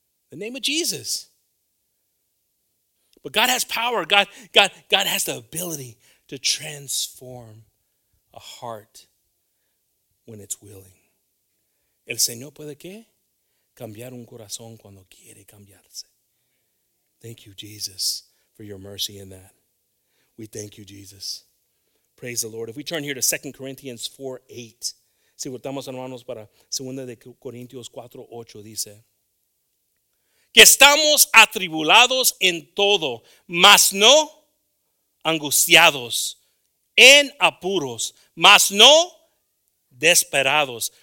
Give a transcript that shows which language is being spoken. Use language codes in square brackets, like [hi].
[en] The name of Jesus. But God has power. God has the ability to transform a heart when it's willing. [es] El Señor puede que cambiar un corazón cuando quiere cambiarse. [en] Thank you, Jesus, for your mercy in that. We thank you, Jesus. Praise the Lord. If we turn here to 2 Corinthians 4:8. [es] Si voltamos, hermanos, para 2 Corintios 4:8 dice, que estamos atribulados en todo, mas no angustiados, en apuros, mas no desesperados.